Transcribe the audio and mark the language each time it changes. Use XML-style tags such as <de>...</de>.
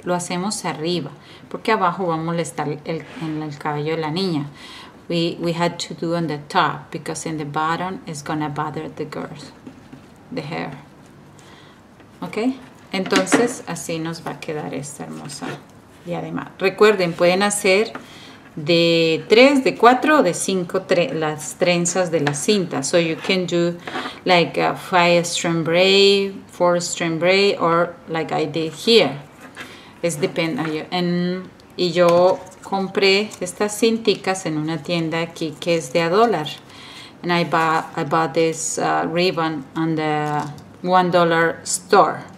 <es>Lo hacemos arriba, porque abajo va a molestar en el cabello de la niña.</es> <en>We had to do on the top, because in the bottom it's gonna bother the girls, the hair. Ok.</en> <es>Entonces así nos va a quedar esta hermosa diadema. Recuerden, pueden hacer de 3, de 4 o de 5 las trenzas de la cinta.</es> <en>So you can do like a 5-strand braid, 4-strand braid, or like I did here. It's depend on you.</en> <es>Y yo compré estas cinticas en una tienda aquí que es de a dólar.</es> <en>And I bought this ribbon on the $1 store.</en>